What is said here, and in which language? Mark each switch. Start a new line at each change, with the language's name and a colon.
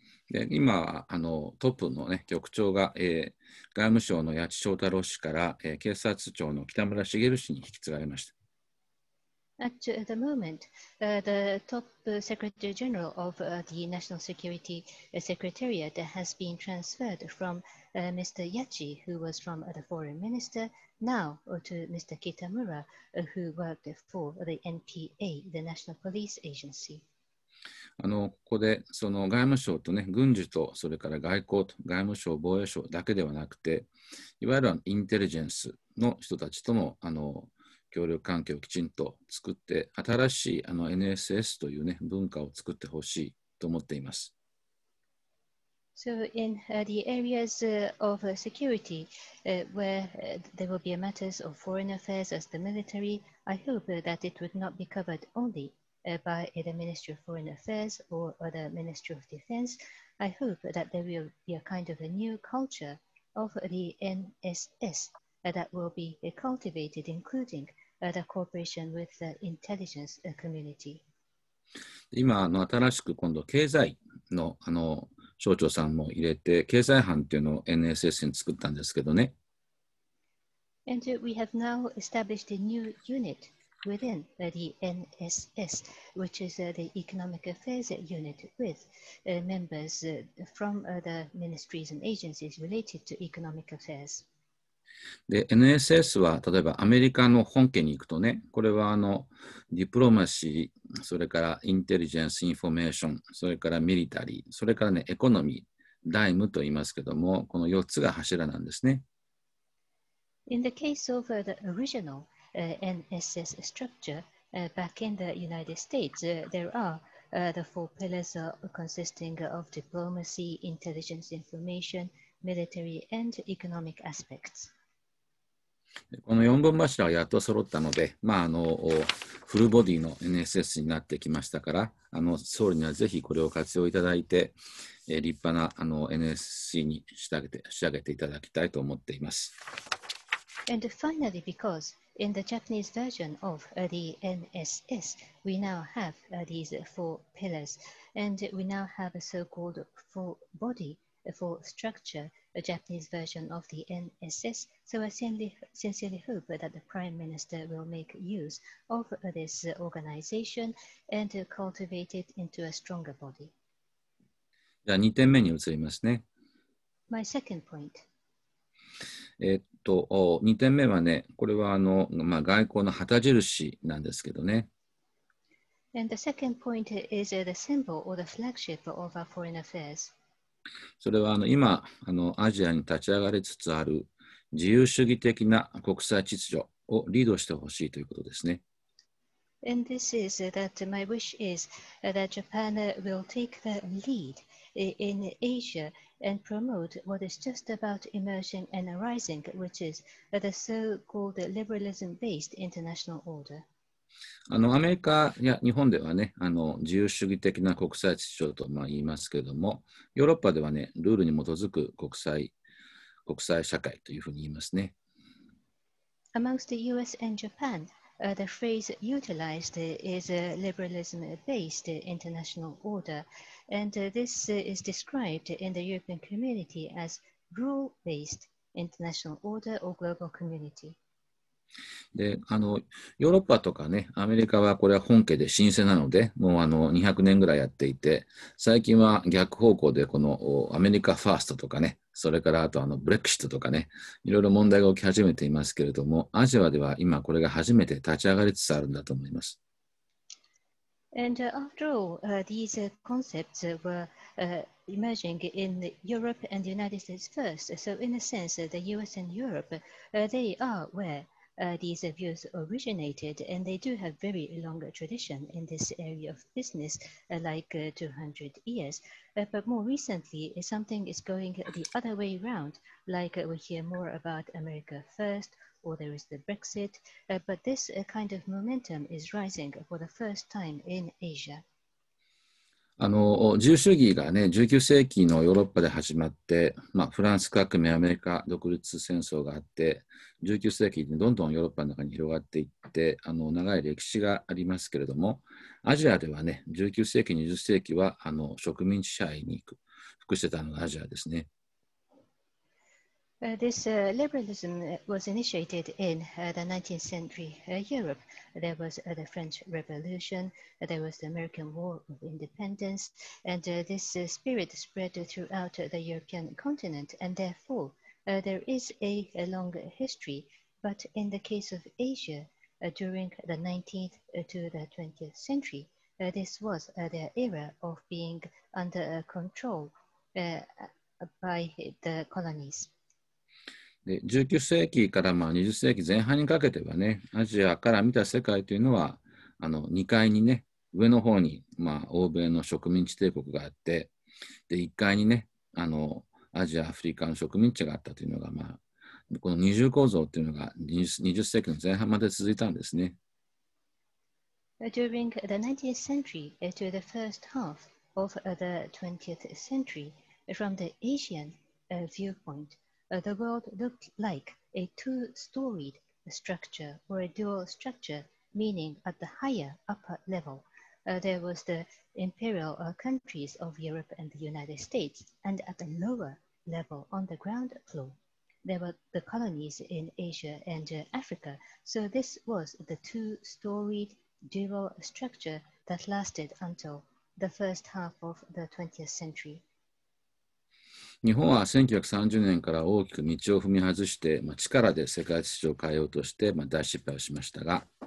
Japanese: で今トップの、ね、局長が、外務省の八地正太郎氏から、警察庁の北村茂氏に引き継がれました。
English: At the moment, the top secretary general of the National Security Secretariat has been transferred from Mr. Yachi, who was from the foreign minister, now to Mr. Kitamura, who worked for the NPA, the National Police Agency.
Japanese: ここでその外務省と、ね、軍事とそれから外交と外務省防衛省だけではなくて、いわゆるインテリジェンスの人たちとも協力関係をきちんと作って、新しい NSS という、ね、文化を作ってほしいと思っています。
English: So in the areas of security where there will be matters of foreign affairs as the military, I hope that it would not be covered onlyby the Ministry of Foreign Affairs or the Ministry of Defense. I hope that there will be a kind of a new culture of the NSS that will be cultivated, including the cooperation with the intelligence community.
Japanese: 今新しく今度経済の省庁さんも入れて、経済班っていうのを NSS に作ったんですけどね。
English: And we have now established a new unitwithin the NSS, which is the Economic Affairs Unit, with members from the ministries and agencies related to economic affairs.
Japanese: で、NSS は例えばアメリカの本家に行くとね、これはディプロマシー、それからインテリジェンス・インフォメーション、それからミリタリー、それからね、エコノミー、財務と言いますけども、この4つが柱なんですね。
English: In the case of the originalNSS structure back in the United States, there are the four pillars consisting of diplomacy, intelligence information, military and economic aspects.
Japanese: この4本柱はやっと揃ったので、まあ、フルボディの NSS になってきましたから、総理にはぜひこれを活用いただいて、立派なNSC に仕上げていただきたいと思っています。
English: And finally, becauseIn the Japanese version of the NSS, we now have these four pillars, and we now have a so-called four body, four structure, a Japanese version of the NSS. So I sincerely hope that the Prime Minister will make use of this organization and cultivate it into a stronger body.
Japanese: じゃあ2点目に移りますね。
English: My second point.
Japanese: 2点目はね、これは外交の旗印なんですけどね。
English: And the second point is the symbol or the flagship of our foreign affairs.
Japanese: それは今アジアに立ち上がりつつある自由主義的な国際秩序をリードしてほしいということですね。
English: And this is that my wish is that Japan will take the lead in Asia and promote what is just about emerging and arising, which is the so-called liberalism-based international order.
Japanese: アメリカや日本ではね、自由主義的な国際秩序とまあ言いますけれども、ヨーロッパではね、ルールに基づく国際社会というふうに言いますね。
English: Amongst the US and Japan,the phrase utilized is a liberalism-based international order, and this is described in the European community as rule-based international order or global community.
Japanese: で、ヨーロッパとかね、アメリカはこれは本家で老舗なので、もう200年ぐらいやっていて、最近は逆方向でこのアメリカファーストとかね、それからあとブレクシットとかね、いろいろ問題が起き始めていますけれども、アジアでは今これが初めて立ち上がりつつあるんだと思います。
English: And after all, these concepts were emerging in Europe and the United States first. So in a sense, the US and Europe, they are where these views originated, and they do have very long tradition in this area of business, like 200 years. But more recently, something is going the other way around, like we hear more about America first, or there is the Brexit. But this kind of momentum is rising for the first time in Asia.
Japanese: 自由主義がね、19世紀のヨーロッパで始まって、まあ、フランス革命、アメリカ独立戦争があって、19世紀にどんどんヨーロッパの中に広がっていって、長い歴史がありますけれども、アジアではね、19世紀、20世紀は植民地支配に服してたのがアジアですね。
English: This liberalism was initiated in the 19th century Europe. There was the French Revolution, there was the American War of Independence, and this spirit spread throughout the European continent, and therefore there is a long history. But in the case of Asia, during the 19th to the 20th century, this was their era of being under control by the colonies.
Japanese: で19世紀からまあ20世紀前半にかけてはね、アジアから見た世界というのは2階にね、上の方にまあ欧米の植民地帝国があって、で1階にね、アジア、アフリカの植民地があったというのが、まあ、この二重構造というのが 20世紀の前半まで続いたんですね。
English: During the 19th century to the first half of the 20th century, from the Asian viewpoint,the world looked like a two-storied structure or a dual structure, meaning at the higher upper level, there was the imperial countries of Europe and the United States, and at the lower level, on the ground floor, there were the colonies in Asia and Africa. So this was the two-storied dual structure that lasted until the first half of the 20th century.
Japanese: 日本は1930年から大きく道を踏み外して、まあ、力で世界秩序を変えようとして、まあ、大失敗をしましたが。